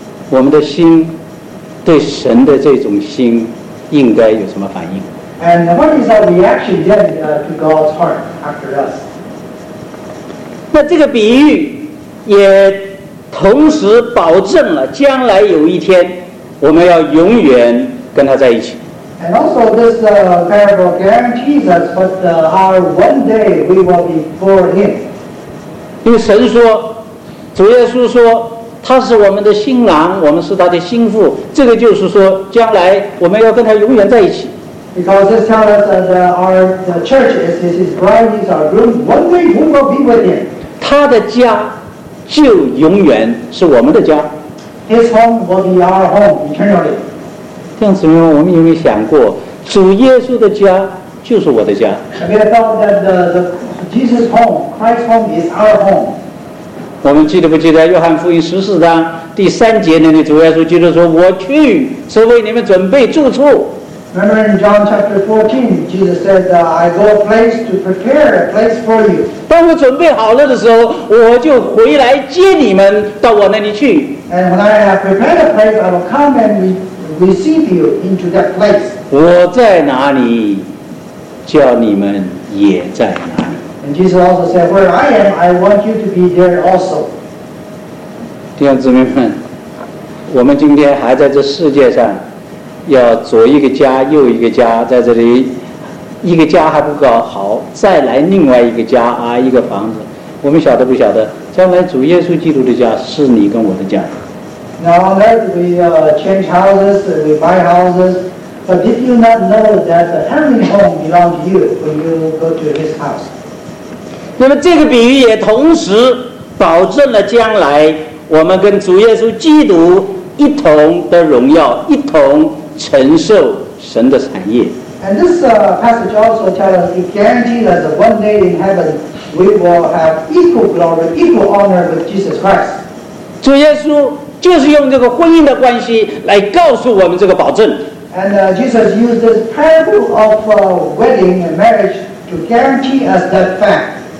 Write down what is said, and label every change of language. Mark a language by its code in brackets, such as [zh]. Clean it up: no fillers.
[zh] 我们的心对神的这种心应该有什么反应？ [en] And what is our reaction then to God's heart after us? [zh] 那这个比喻也同时保证了将来有一天我们要永远跟他在一起。 [en] And also this parable guarantees us but our one day we will be for Him. [zh] 因为神说，主耶稣说，他是我们的新郎，我们是他的心腹。这个就是说，将来我们要跟他永远在一起。 [en] Because this tells us that our the church is his bride, is our groom. One day we will be with him. [zh] 他的家就永远是我们的家。 [en] His home will be our home eternally. [zh] 弟兄姊妹们，我们有没有想过，主耶稣的家就是我的家？ [en] Have you thought that the Jesus' home, Christ's home is our home. [zh] 我们记得不记得约翰福音十四章第三节那里主耶稣基督说，我去是为你们准备住处。 [en] Remember in John chapter 14, Jesus said, I go a place to prepare a place for you. [zh] 当我准备好了的时候，我就回来接你们到我那里去。 [en] And when I have prepared a place, I will come and receive you into that place. [zh] 我在哪里，叫你们也在哪里。 [en] And Jesus also said, "Where I am, I want you to be there also." [zh] 弟兄姊妹们，我们今天还在这世界上，要左一个家，右一个家，在这里，一个家还不搞好，再来另外一个家啊，一个房子。我们晓得不晓得，将来主耶稣基督的家是你跟我的家。 [en] Now on earth we change houses, we buy houses, but did you not know that the heavenly home belongs to you when you go to His house? [zh] 那么这个比喻也同时保证了将来我们跟主耶稣基督一同的荣耀，一同承受神的产业。 [en] And this passage also tells us it guarantees us that one day in heaven we will have equal glory, equal honor with Jesus Christ. [zh] 主耶稣就是用这个婚姻的关系来告诉我们这个保证。 [en] And Jesus used this parable of wedding and marriage to guarantee us that fact.